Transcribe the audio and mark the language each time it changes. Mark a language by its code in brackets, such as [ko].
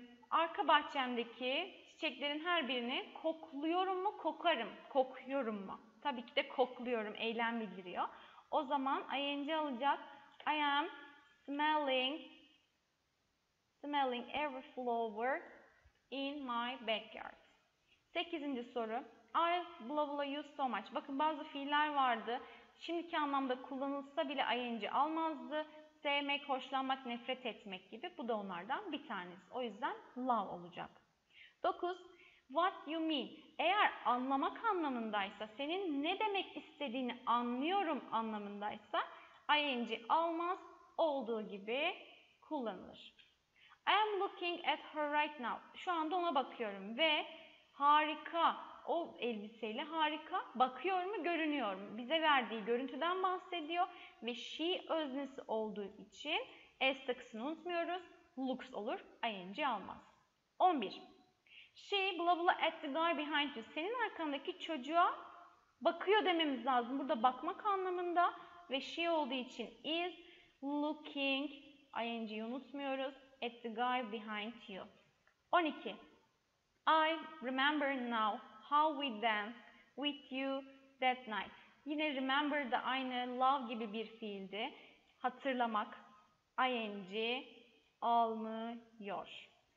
[tr] Arka bahçemdeki çiçeklerin her birini kokluyorum mu, kokarım? Kokuyorum mu? Tabii ki de kokluyorum, eylem bildiriyor. O zaman ing alacak. [en] I am smelling every flower in my backyard. [tr] 8. soru. [en] I blah blah you so much. [tr] Bakın bazı fiiller vardı. Şimdiki anlamda kullanılsa bile ing almazdı. Sevmek, hoşlanmak, nefret etmek gibi. Bu da onlardan bir tanesi. O yüzden love olacak. 9. [en] What you mean. [tr] Eğer anlamak anlamındaysa, senin ne demek istediğini anlıyorum anlamındaysa ing almaz, olduğu gibi kullanılır. [en] I am looking at her right now. [tr] Şu anda ona bakıyorum ve harika. O elbiseyle harika bakıyor mu, görünüyor mu? Bize verdiği görüntüden bahsediyor. Ve she öznesi olduğu için s takısını unutmuyoruz. Looks olur, ing almaz. 11. [en] She blah blah at the guy behind you. [tr] Senin arkandaki çocuğa bakıyor dememiz lazım. Burada bakmak anlamında ve she olduğu için is looking, ing'i unutmuyoruz, [en] at the guy behind you. [tr] 12. [en] I remember now how we danced with you that night. [tr] Yine remember da aynı love gibi bir fiildi. Hatırlamak, ing almıyor.